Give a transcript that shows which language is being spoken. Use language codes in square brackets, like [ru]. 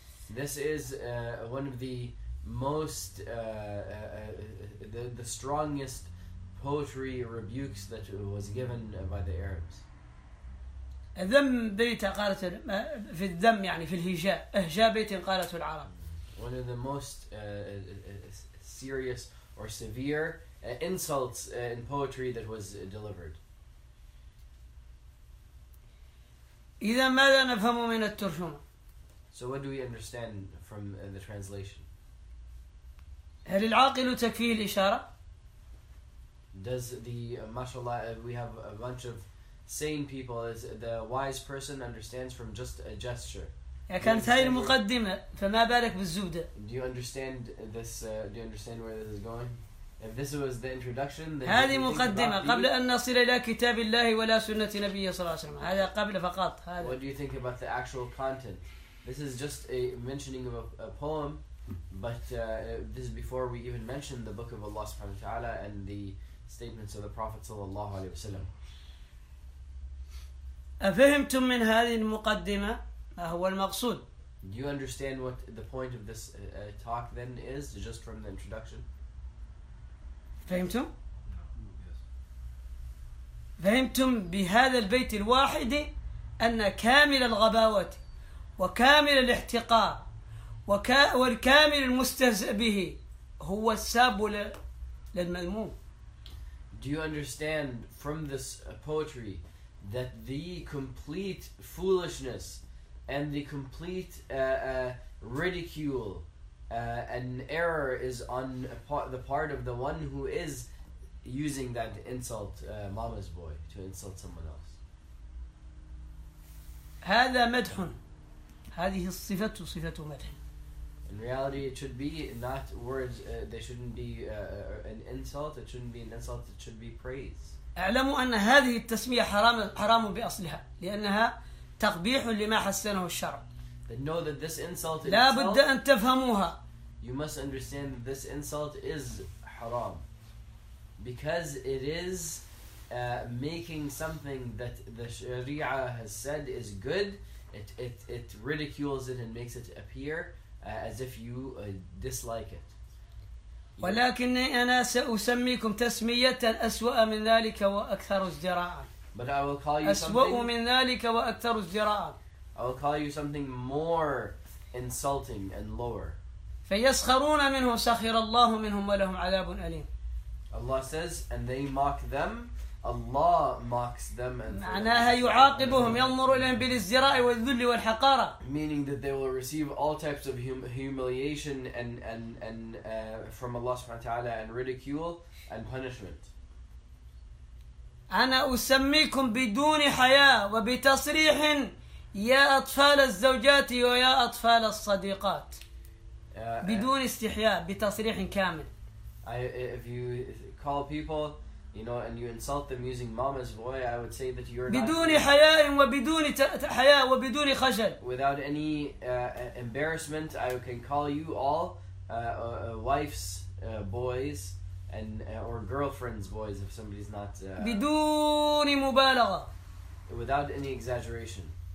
[en] This is one of the most the strongest poetry rebukes that was given by the Arabs. [ar] أذم بيت قالت في الذم يعني في الهجاء أهجاء بيت قالت في العرب. [en] One of the most serious or severe insults in poetry that was delivered. [ar] إذا ماذا نفهم من الترجمة؟ [en] So what do we understand from the translation? [ar] هل العاقل تكفيه الإشارة؟ [en] Does the mashallah we have a bunch of sane people as the wise person understands from just a gesture? [ar] كانت هاي المقدمة فما بالك بالزبدة. [en] Do you understand this? Do you understand where this is going? If this was the introduction, then [ar] هذه مقدمة قبل أن نصل إلى كتاب الله ولا سنة نبيه صلى الله عليه وسلم. هذا قبل فقط. هذا. [en] What do you think about the actual content? This is just a mentioning of a poem, but this is before we even mention the book of Allah [ar] سبحانه وتعالى [en] and the statements of the Prophet [ar] صلى الله عليه وسلم. أفهمتم من هذه المقدمة؟ ما هو المقصود؟ [en] Do you understand what the point of this talk then is, just from the introduction? [ar] فهمتم؟ فهمتم بهذا البيت الواحد أن كامل الغباوة وكامل الاحتقار والكامل المستهزئ به هو الساب للمذموم. [en] Do you understand from this poetry that the complete foolishness and the complete ridicule and error is on the part of the one who is using that insult, mama's boy, to insult someone else. [ar] هذا مدح. هذه الصفة صفة مدح. [en] In reality, it should be not words. They shouldn't be an insult. It shouldn't be an insult. It should be praise. [ar] اعلموا أن هذه التسمية حرام بأصلها لأنها تقبيح لما حسنه الشرع. [en] But know that this insult [ar] لا بد أن تفهموها. [en] You must understand that this insult is haram because it is making something that the Sharia has said is good. It ridicules it and makes it appear as if you dislike it. [ar] ولكني أنا سأسميكم تسمية أسوأ من ذلك وأكثر ازدراعا. [en] But I will call you something. I will call you something more insulting and lower. [ar] فيسخرون منه سخر الله منهم ولهم عذاب أليم. [en] Allah says, and they mock them. Allah mocks them and. [ar] معناها يعاقبهم ينظر إليهم بالازدراء والذل والحقارة. [en] Meaning that they will receive all types of humiliation and from Allah [ar] سبحانه وتعالى [en] and ridicule and punishment. [ar] أنا أسميكم بدون حياء وبتصريح يا أطفال الزوجات ويا أطفال الصديقات بدون استحياء بتصريح كامل. [en] If you call people, you know, and you insult them using mama's boy, I would say that you're [ar] بدون [en] not [ar] حياء وبدون حياء وبدون خجل. [en] Without any embarrassment, I can call you all wives, boys. And or girlfriend's boys if somebody's not [ar] بدون مبالغة [en] without any exaggeration